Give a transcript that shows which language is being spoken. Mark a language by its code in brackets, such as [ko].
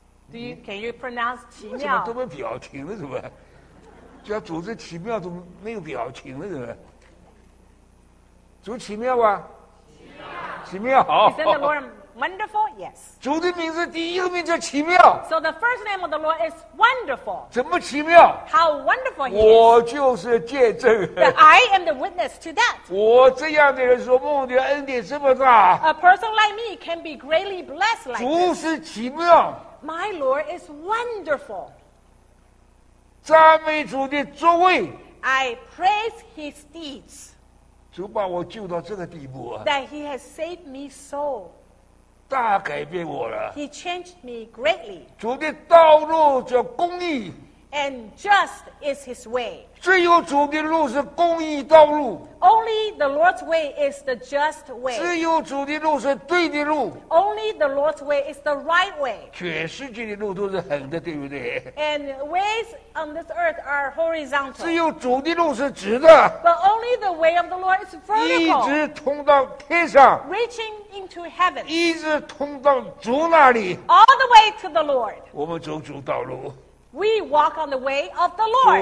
[en] Can you pronounce 奇妙？ [zh] 怎么都没表情了？怎么？叫主是奇妙，怎么没有表情了？怎么？主奇妙啊！奇妙，奇妙好。 [en] Is the Lord wonderful? Yes. [zh] 主的名字第一个名字叫奇妙。 [en] So the first name of the Lord is wonderful. [zh] 怎么奇妙 [en] ？How wonderful he is! [zh] 我就是见证。 [en] That I am the witness to that. [zh] 我这样的人说梦的恩典这么大。 [en] A person like me can be greatly blessed like. [zh] 主是奇妙。 [en] My Lord is wonderful. [zh] 赞美主的作为。 [en] I praise His deeds. [zh] 主把我救到这个地步啊。 [en] That He has saved me so. [zh] 大改变我了。 [en] He changed me greatly. [zh] 主的道路叫公义。 [en] And just is His way. [zh] 只有主的路是公义道路。 [en] Only the Lord's way is the just way. [zh] 只有主的路是对的路。 [en] Only the Lord's way is the right way. [zh] 全世界的路都是横的，对不对 [en] ？And ways on this earth are horizontal. [zh] 只有主的路是直的。 [en] But only the way of the Lord is vertical. [zh] 一直通到天上。 [en] Reaching into heaven. [zh] 一直通到主那里。 [en] All the way to the Lord. [zh] 我们走主道路。 [en] We walk on the way of the Lord.